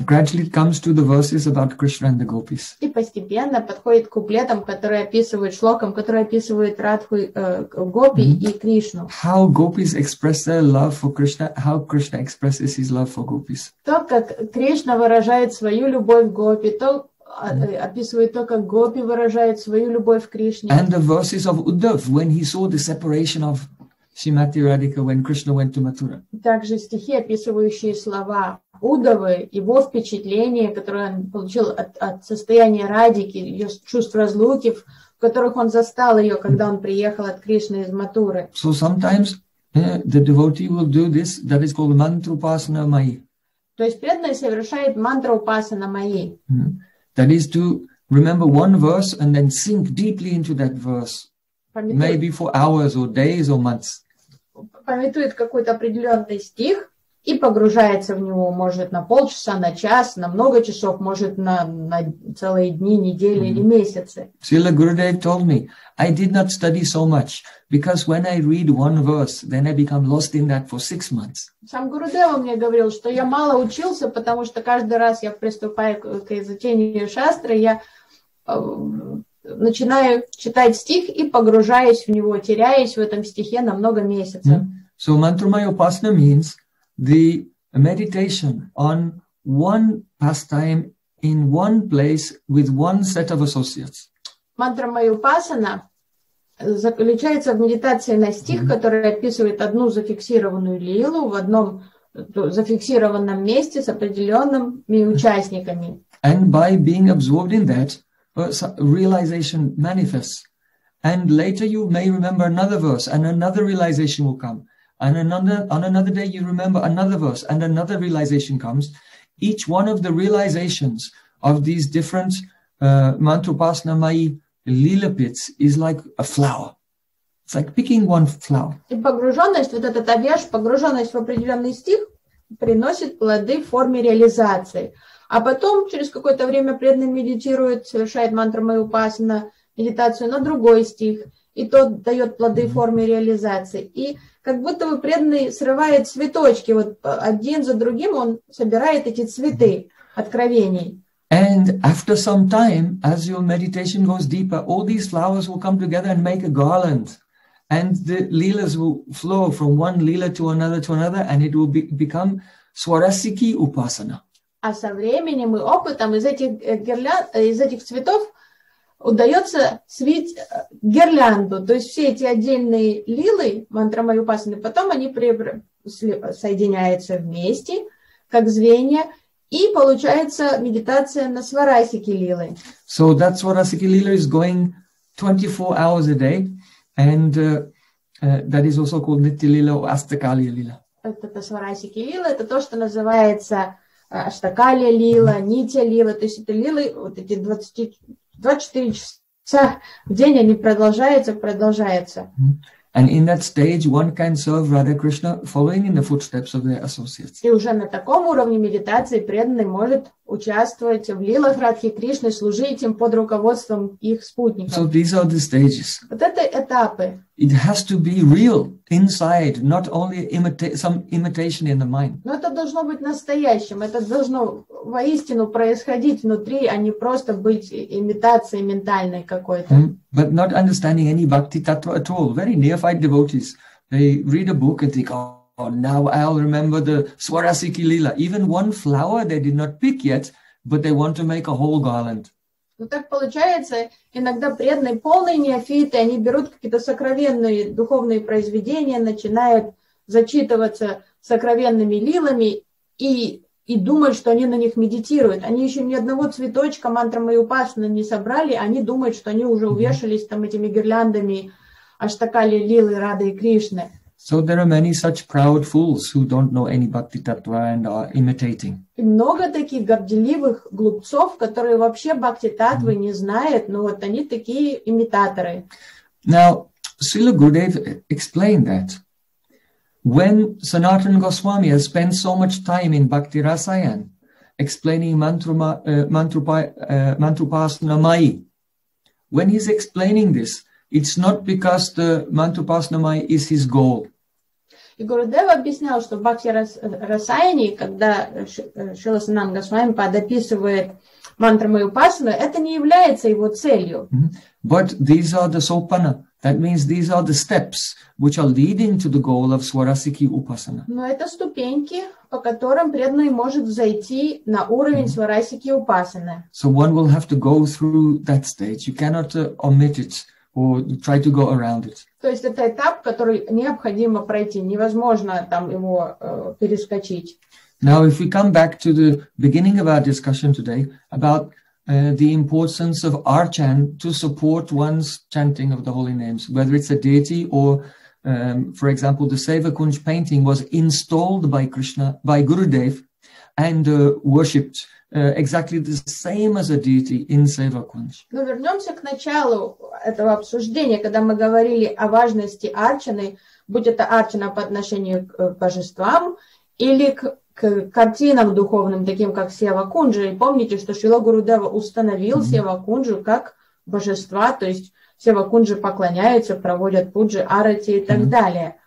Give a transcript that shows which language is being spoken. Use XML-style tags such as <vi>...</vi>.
<en>Gradually it comes to the verses about Krishna and the gopis.</en> <ru>И постепенно подходит к куплетам, которые описывают шлокам, которые описывают Радху, гопи и Кришну.</ru> <en>How gopis express their love for Krishna, how Krishna expresses his love for gopis.</en> <ru>То, как Кришна выражает свою любовь к гопи, то описывает то, как гопи выражает свою любовь к Кришне.</ru> <en>And the verses of Uddhav, when he saw the separation of Srimati Radhika when Krishna went to Mathura.</en> <ru>Также стихи, описывающие слова Уддавы, его впечатление, которое он получил от состояния Радики, ее чувств разлуки, в которых он застал ее, когда он приехал от Кришны из Матуры.</ru> <en>So sometimes the devotee will do this, that is called mantra upasana mai.</en> <ru>То есть преданный совершает мантру упасана майи.</ru> <en>That is to remember one verse and then sink deeply into that verse. Maybe for hours or days or months.</en> <ru>Памятует какой-то определенный стих и погружается в него, может, на полчаса, на час, на много часов, может, на целые дни, недели или месяцы.</ru> <en>Srila Gurudev told me, I did not study so much, because when I read one verse, then I become lost in that for 6 months.</en> <ru>Сам Гурудев мне говорил, что я мало учился, потому что каждый раз я приступаю к изучению шастры, я начинаю читать стих и погружаюсь в него, теряюсь в этом стихе на много месяцев. Mm-hmm.</ru> <en>So mantra maya upasana means the meditation on one pastime in one place with one set of associates.</en> <ru>Мантра маю упасана заключается в медитации на стих, mm-hmm. который описывает одну зафиксированную лилу в одном зафиксированном месте с определенными участниками.</ru> <en>And by being absorbed in that, realization manifests. And later you may remember another verse and another realization will come. And on another day you remember another verse and another realization comes. Each one of the realizations of these different mantrupasana mayi lila pits is like a flower. It's like picking one flower.</en> <ru>И погруженность, вот этот обеж, погруженность в определенный стих приносит плоды в форме реализации. А потом, через какое-то время, преданный медитирует, совершает мантру майя упасана, медитацию на другой стих, и тот дает плоды в форме реализации. И как будто бы преданный срывает цветочки, вот один за другим он собирает эти цветы откровений.</ru> <en>And after some time, as your meditation goes deeper, all these flowers will come together and make a garland. And the lilas will flow from one lila to another, and it will become swarasiki upasana.</en> <ru>А со временем и опытом из этих гирлянд, из этих цветов удается свить гирлянду. То есть все эти отдельные лилы, мантра майя упасана, потом они соединяются вместе, как звенья, и получается медитация на сварасики лилы.</ru> <en>So that сварасики лила is going 24 hours a day, and that is also called nitya lila or astakalya lila.</en> <ru>Это сварасики лила, это то, что называется Аштакалия лила, нитя лила, то есть это лилы, вот эти 24 часа в день, они продолжаются, продолжаются.</ru> <en>And in that stage one can serve Radha Krishna following in the footsteps of their associates.</en> <ru>И уже на таком уровне медитации преданный может участвовать в лилах Радхи Кришны, служить им под руководством их спутников.</ru> <en>So these are the stages.</en> <ru>Вот это этапы.</ru> <en>It has to be real inside, not only some imitation in the mind.</en> <ru>Но это должно быть настоящим, это должно воистину происходить внутри, а не просто быть имитацией ментальной какой-то.</ru> <en>But not understanding any bhakti tattva at all. Very neophyte devotees, they read a book and think, oh, now I'll remember the Swarasiki lila. Even one flower they did not pick yet, but they want to make a whole garland.</en> <ru>Ну так получается, иногда преданные полные неофиты, они берут какие-то сокровенные духовные произведения, начинают зачитываться сокровенными лилами и думают, что они на них медитируют. Они еще ни одного цветочка мантра майя упасана не собрали, они думают, что они уже увешались там этими гирляндами аштакали лилы Рады и Кришны.</ru> <en>So there are many such proud fools who don't know any bhakti tattva and are imitating.</en> <ru>И много таких горделивых глупцов, которые вообще бхакти таттвы не знают, но вот они такие имитаторы.</ru> <en>Now, Srila Gurudev explained that when Sanatana Goswami has spent so much time in bhakti rasayan explaining mantrupasana mayi, when he's explaining this, it's not because the mantrupasana mayi is his goal.</en> <ru>И Гурудев объяснял, что в бхакти расаяне, когда Шрила Сананда Госвами подописывает мантру майя упасана, это не является его целью.</ru> <en>But these are the sopana. That means these are the steps which are leading to the goal of Swarasiki Upasana.</en> <ru>Но это ступеньки, по которым преданный может зайти на уровень Сварасики Упасаны.</ru> <en>So one will have to go through that stage. You cannot omit it. Or try to go around it.</en> <ru>То есть это этап, который необходимо пройти, невозможно там его перескочить.</ru> <en>Now, if we come back to the beginning of our discussion today about the importance of archan to support one's chanting of the holy names, whether it's a deity or, for example, the Seva Kunj painting was installed by Krishna, by Gurudev, and worshipped exactly the same as a deity in Seva Kunj.</en> <ru>Но вернемся к началу этого обсуждения, когда мы говорили о важности арчаны, будь это арчана по отношению к божествам или к картинам духовным, таким как Сева Кунджа. И помните, что Шрила Гурудева установил Сева Кунджу как божества, то есть Сева Кунджи поклоняются, проводят пуджи, арати и так далее.</ru>